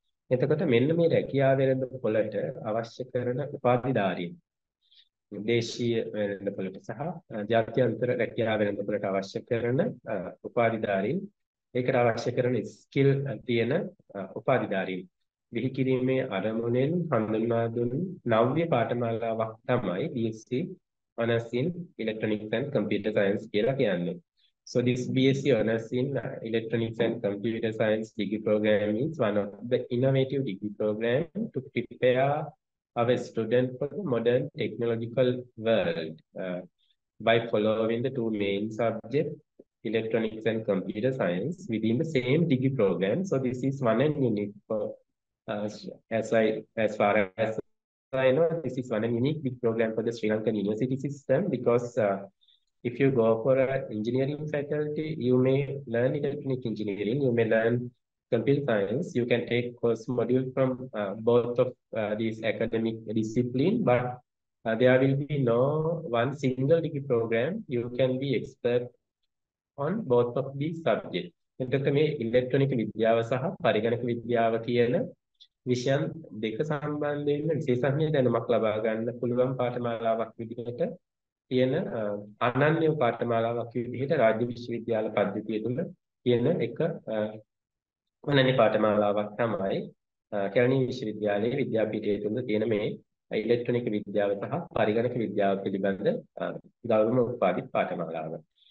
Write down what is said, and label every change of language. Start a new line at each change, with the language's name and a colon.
Sinhala: එතකොට මෙන්න මේ රැකියා වෙළඳපොළට අවශ්‍ය කරන උපාධිධාරීන් දේශීය වෙළඳපොළට සහ ජාත්‍යන්තර රැකියා වෙළඳපොළට අවශ්‍ය කරන උපාධිධාරීන්, ඒකට අවශ්‍ය කරන ස්කිල් තියෙන උපාධිධාරීන් බිහි කිරීමේ අරමුණෙන් හඳුන්වා දුන් නව්‍ය පාඨමාලාවක් තමයි BSc Honors in Electronics and Computer Science කියලා කියන්නේ.
English: So this BSc Honors in Electronics and Computer Science degree program is one of the innovative degree program to prepare our student for the modern technological world by following the two main subjects electronics and computer science within the same degree program. So this is one and unique for as far as I know, this is one and unique big program for the Sri Lankan university system, because if you go for an engineering faculty, you may learn electronic engineering, you may learn computer science, you can take course module from both of these academic discipline, but there will be no one single degree program you can be expert on both of these subjects.
Sinhala: එතකොට මේ ඉලෙක්ට්‍රොනික විද්‍යාව සහ පරිගණක විද්‍යාව කියන විෂයන් දෙක සම්බන්ධයෙන් විශේෂඥ දැනුමක් ලබා ගන්න පුළුවන් පාඨමාලාවක් විදිහට තියෙන අනන්‍ය පාඨමාලාවක් විදිහට රාජ්‍ය විශ්වවිද්‍යාල පද්ධතිය තුළ තියෙන එක අනන්‍ය පාඨමාලාවක් තමයි කැලණි විශ්වවිද්‍යාලයේ විද්‍යාපීඨයේ තුළ තියෙන මේ ඉලෙක්ට්‍රොනික විද්‍යාව සහ පරිගණක විද්‍යාව පිළිබඳ ගෞරවම උපාදිත පාඨමාලාවක්.